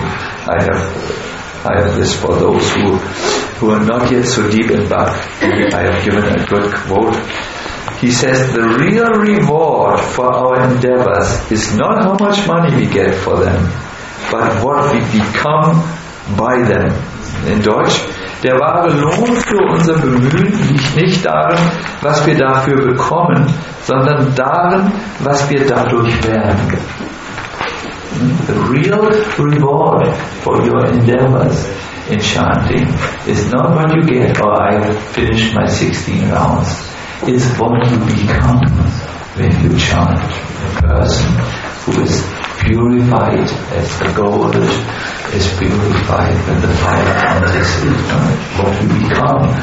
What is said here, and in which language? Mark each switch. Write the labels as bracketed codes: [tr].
[en] I have this for those who are not yet so deep in Bach. I have given a good quote. He says, the real reward for our endeavors is not how much money we get for them, but what we become by them. [de] In Deutsch, der wahre Lohn für unser Bemühen liegt nicht darin, was wir dafür bekommen, sondern darin, was wir dadurch werden. [en] The real reward for your endeavors in chanting is not what you get or I finish my 16 rounds. It's what you become when you chant. A person who is purified as the gold is purified when the fire comes is burned. What you become.